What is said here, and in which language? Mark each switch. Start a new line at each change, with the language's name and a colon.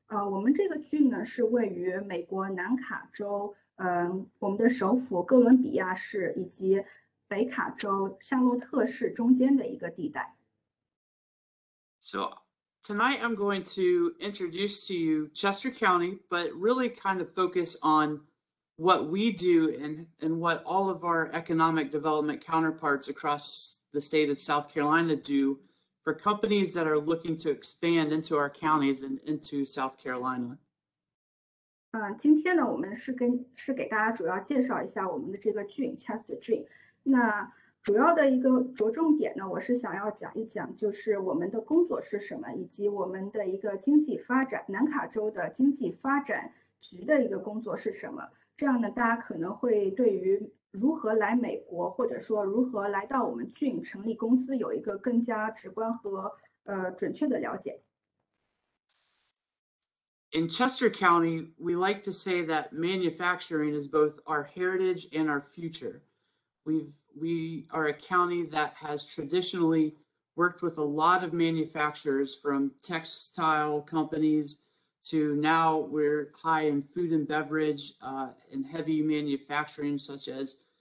Chinese: 我们这个郡呢是位于美国南卡州，我们的首府哥伦比亚市以及北卡州夏洛特市中间的一个地带。
English: So tonight I'm going to introduce to you Chester County, but really kind of focus on what we do and what all of our economic development counterparts across the state of South Carolina do for companies that are looking to expand into our counties and into South Carolina.
Chinese: 今天呢，我们是给大家主要介绍一下我们的这个郡 Chester 郡。那主要的一个着重点呢，我是想要讲一讲就是我们的工作是什么，以及我们的一个经济发展，南卡州的经济发展局的一个工作是什么。这样呢，大家可能会对于如何来美国，或者说如何来到我们郡成立公司，有一个更加直观和准确的了解。
English: In Chester County, we like to say that manufacturing is both our heritage and our future. We are a county that has traditionally worked with a lot of manufacturers, from textile companies to now we're high in food and beverage and heavy manufacturing such as